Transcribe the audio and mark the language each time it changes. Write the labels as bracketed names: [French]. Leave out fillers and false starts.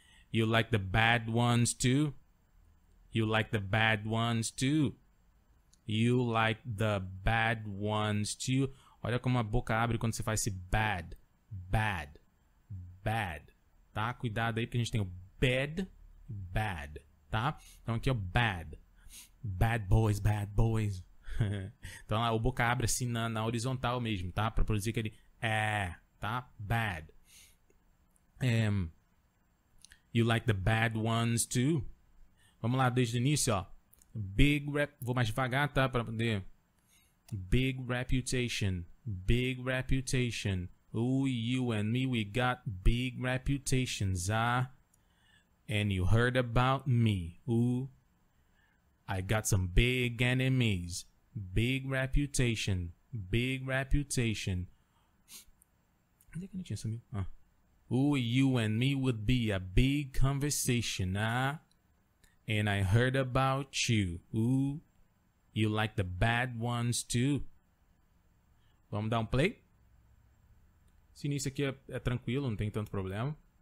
[English] You like the bad ones too? You like the bad ones too? You like the bad ones too? [Portuguese] Olha como a boca abre quando você faz esse bad. Bad. Bad. Tá? Cuidado aí que a gente tem o bad. [English] Bad. Tá? [Portuguese] Então aqui é o [English] bad. Bad boys, bad boys. [Portuguese] Então lá, o boca abre assim na horizontal mesmo, tá? Pra produzir aquele é, tá? Bad. [English] You like the bad ones too? [Portuguese] Vamos lá, desde o início, ó. Big rep, vou mais devagar, tá? Pra poder. [English] Big reputation. Big reputation. Ooh, you and me, we got big reputations, ah. And you heard about me. Ooh, I got some big enemies. Big reputation. Big reputation. [Portuguese] Onde é que a gente sumiu? [English] Ah. Ooh, you and me would be a big conversation, ah. And I heard about you. Ooh, you like the bad ones too. [Portuguese] Vamos dar um play? Esse início aqui é tranquilo, não tem tanto problema.